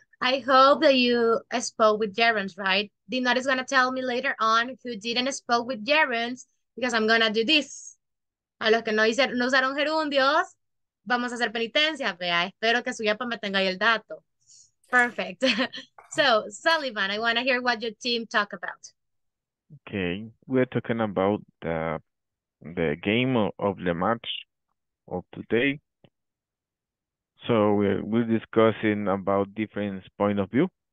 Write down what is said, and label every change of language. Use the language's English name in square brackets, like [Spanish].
[English] I hope that you spoke with Gerunds, right? Dina is gonna tell me later on who didn't spoke with Gerunds, because I'm gonna do this. [Spanish] A los que no usaron gerundios, vamos a hacer penitencia, vea. Espero que su yapa me tenga ahí el dato. [English] Perfect. So, Sullivan, I want to hear what your team talk about. Okay. We're talking about the game of the match of today. So, we're discussing about different point of view.